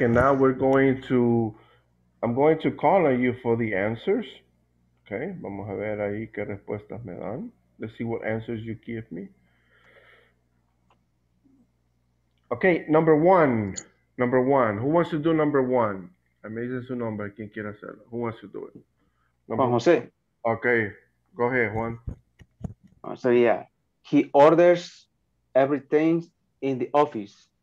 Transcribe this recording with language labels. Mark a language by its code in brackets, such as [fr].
[en] And now I'm going to call on you for the answers. [es] Okay, vamos a ver ahí qué respuestas me dan. [en] Let's see what answers you give me. Okay, number one. Who wants to do number one? [es] Me dice su nombre, quien quiera hacerlo. [en] Who wants to do it? [es] Juan José. [en] Okay, go ahead, Juan. So yeah, he orders everything in the office.